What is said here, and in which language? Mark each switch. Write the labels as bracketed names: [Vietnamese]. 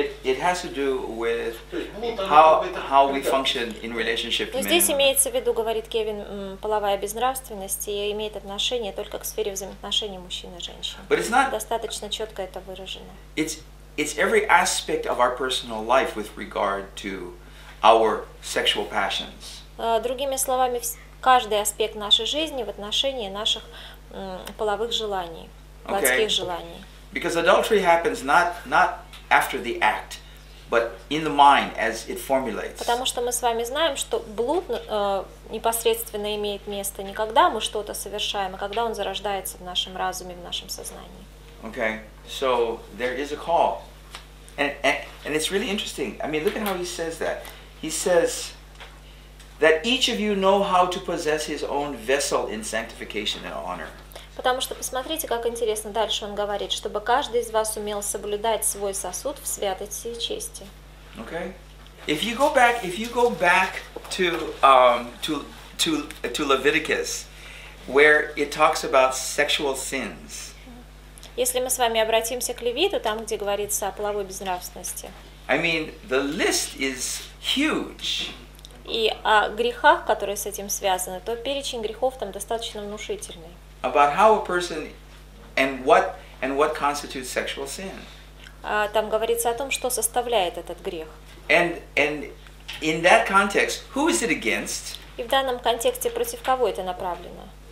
[English] It has to do with how we function in relationship to men. [Russian] Здесь имеется в виду, говорит Кевин, половая безнравственность и имеет отношение только к сфере взаимоотношений мужчины и женщины. [English] But it's not [Russian] достаточно четко это выражено. [English] It's every aspect of our personal life with regard to our sexual passions. [Russian] Другими словами, каждый аспект нашей жизни в отношении наших половых желаний, плотских желаний. [English] Because adultery happens not after the act, but in the mind as it formulates. [Russian] Потому что мы с вами знаем, что блуд непосредственно имеет место не когда мы что-то совершаем, а когда он зарождается в нашем разуме, в нашем сознании. [English] Okay, so there is a call, and it's really interesting. I mean, look at how he says that. He says that each of you know how to possess his own vessel in sanctification and honor. [Russian] Потому что посмотрите, как интересно дальше он говорит, чтобы каждый из вас умел соблюдать свой сосуд в святости и чести. [English] Okay, if you go back to Leviticus, where it talks about sexual sins. [Russian] Если мы с вами обратимся к Левиту, там, где говорится о половой безнравственности. [English] I mean, the list is huge. [Russian] И о грехах, которые с этим связаны, то перечень грехов там достаточно внушительный. [English] About how a person and what constitutes sexual sin. [Russian] Там говорится о том, что составляет этот грех. [English] And in that context, who is it against? [Russian] И в данном контексте против кого это направлено?